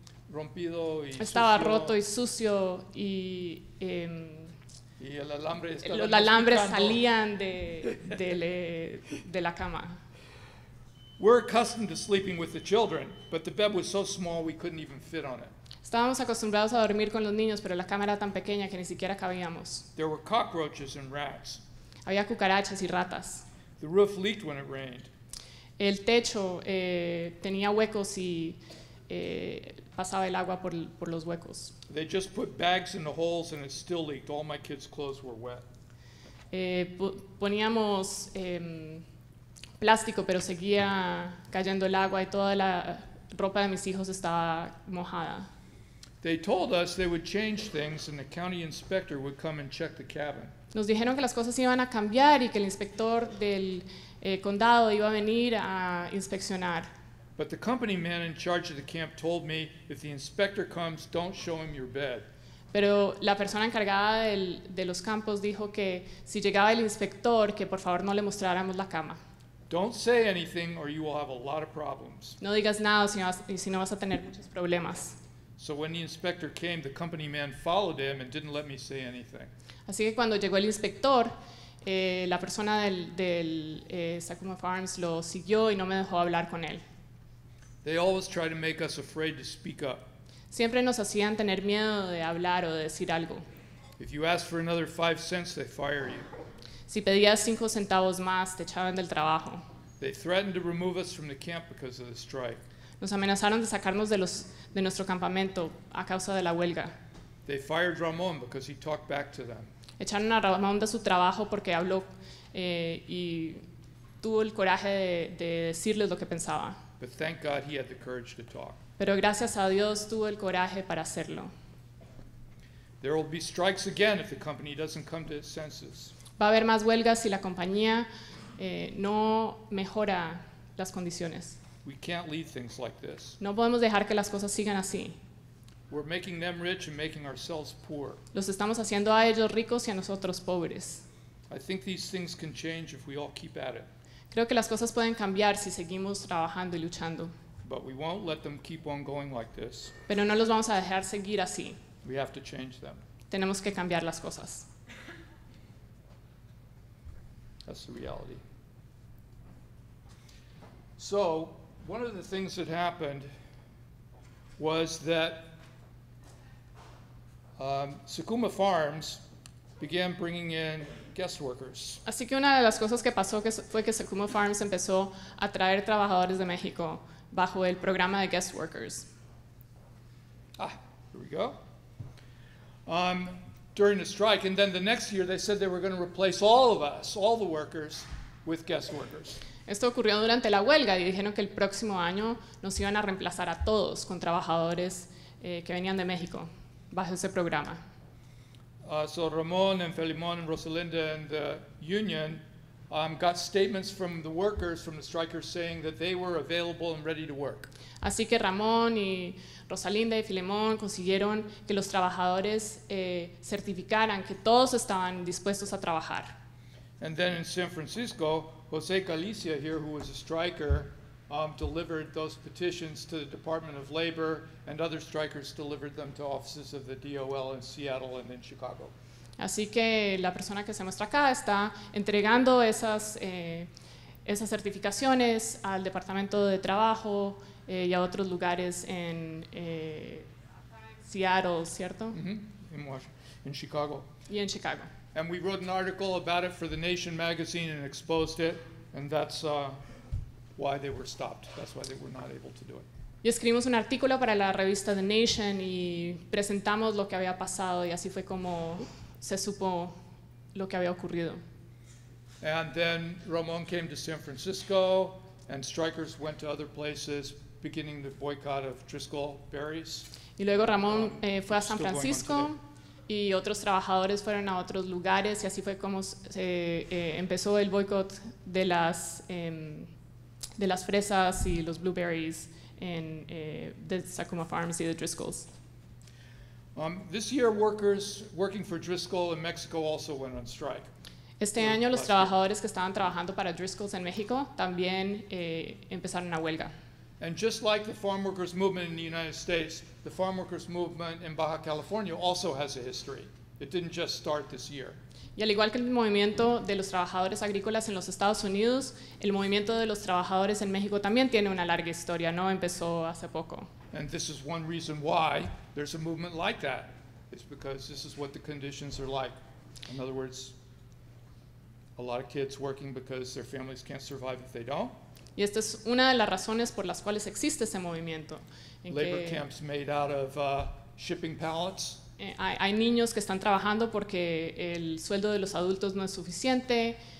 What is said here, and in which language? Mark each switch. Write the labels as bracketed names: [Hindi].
[Spanish] rompido y estaba sucio. Roto y sucio y y el alambre los alambres salían de la cama. [English] We're accustomed to sleeping with the children, but the bed was so small we couldn't even fit on it. [Spanish] Estábamos acostumbrados a dormir con los niños, pero la cama era tan pequeña que ni siquiera cabíamos. [English] There were cockroaches and rats. [Spanish] Había cucarachas y ratas. [English] The roof leaked when it rained. [Spanish] El techo tenía huecos y pasaba el agua por los huecos. [English] They just put bags in the holes and it still leaked. All my kids' clothes were wet. [Spanish] Poníamos plástico, pero seguía cayendo el agua y toda la ropa de mis hijos estaba mojada. [English] They told us they would change things and the county inspector would come and check the cabin. [Spanish] Nos dijeron que las cosas iban a cambiar y que el inspector del condado iba a venir a inspeccionar. [English] But the company man in charge of the camp told me, if the inspector comes, don't show him your bed. [Spanish] Pero la persona encargada de los campos dijo que si llegaba el inspector, que por favor no le mostráramos la cama. [English] Don't say anything or you will have a lot of problems. [Spanish] No digas nada si no vas a tener muchos problemas. [English] So when the inspector came, the company man followed him and didn't let me say anything. [Spanish] Así que cuando llegó el inspector, la persona del Sacramento Farms lo siguió y no me dejó hablar con él. [English] They always try to make us afraid to speak up. [Spanish] Siempre nos hacían tener miedo de hablar o de decir algo. [English] If you ask for another 5 cents, they fire you. [Spanish] Si pedías 5 centavos más, te echaban del trabajo. [English] They threatened to remove us from the camp because of the strike. [Spanish] Nos amenazaron de sacarnos de nuestro campamento a causa de la huelga. [English] They fired Ramón because he talked back to them. [Spanish] Echaron a Ramón de su trabajo porque habló y tuvo el coraje de decirles lo que pensaba. [English] But thank God he had the courage to talk. [Spanish] Pero gracias a Dios tuvo el coraje para hacerlo. [English] There will be strikes again if the company doesn't come to its senses. [Spanish] Va a haber más huelgas si la compañía no mejora las condiciones. [English] We can't leave things like this. [Spanish] No podemos dejar que las cosas sigan así. [English] We're making them rich and making ourselves poor. [Spanish] Los estamos haciendo a ellos ricos y a nosotros pobres. [English] I think these things can change if we all keep at it. [Spanish] Creo que las cosas pueden cambiar si seguimos trabajando y luchando. [English] But we won't let them keep on going like this. [Spanish] Pero no los vamos a dejar seguir así. [English] We have to change them. [Spanish] Tenemos que cambiar las cosas. [English] That's the reality. So, one of the things that happened was that Sukuma Farms began bringing in guest workers. [Spanish] Así que una de las cosas que pasó fue que Sukuma Farms empezó a traer trabajadores de México bajo el programa de [English] guest workers. Ah, here we go. During the strike, and then the next year they said they were going to replace all of us, all the workers, with guest workers. [Spanish] Esto ocurrió durante la huelga y dijeron que el próximo año nos iban a reemplazar a todos con trabajadores que venían de México bajo ese programa. [English] So Ramón and Felimón and Rosalinda and the union got statements from the workers, from the strikers, saying that they were available and ready to work. [Spanish] Así que Ramón y Rosalinda y Felimón consiguieron que los trabajadores certificaran que todos estaban dispuestos a trabajar. [English] And then in San Francisco, José Galicia here, who was a striker, delivered those petitions to the Department of Labor, and other strikers delivered them to offices of the DOL in Seattle and in Chicago. [Spanish] Así que la persona que se muestra acá está entregando esas esas certificaciones al Departamento de Trabajo y a otros lugares en Seattle, ¿cierto? [English] In Chicago. [Spanish] Y en Chicago. [English] And we wrote an article about it for The Nation magazine and exposed it, and that's why they were stopped. That's why they were not able to do it. [Spanish] Y escribimos un artículo para la revista The Nation y presentamos lo que había pasado y así fue como se supo lo que había ocurrido. [English] And then Ramón came to San Francisco and strikers went to other places, beginning the boycott of Driscoll berries. [Spanish] Y luego Ramón fue a San Francisco y otros trabajadores fueron a otros lugares y así fue como se empezó el boycott de las fresas y los blueberries en the Sacoma Farms y the Driscolls. [English] This year, workers working for Driscoll in Mexico also went on strike. [Spanish] Este año, los trabajadores que estaban trabajando para Driscoll's en México también empezaron una huelga. [English] And just like the farm workers movement in the United States, the farm workers movement in Baja California also has a history. It didn't just start this year. [Spanish] Y al igual que el movimiento de los trabajadores agrícolas en los Estados Unidos, el movimiento de los trabajadores en México también tiene una larga historia, no empezó hace poco. [English] And this is one reason why there's a movement like that. It's because this is what the conditions are like. In other words, a lot of kids working because their families can't survive if they don't. [Spanish] Y esta es una de las razones por las cuales existe ese movimiento. [English] Labor camps made out of shipping pallets. [Spanish] Hay niños que están trabajando porque el sueldo de los adultos no es suficiente.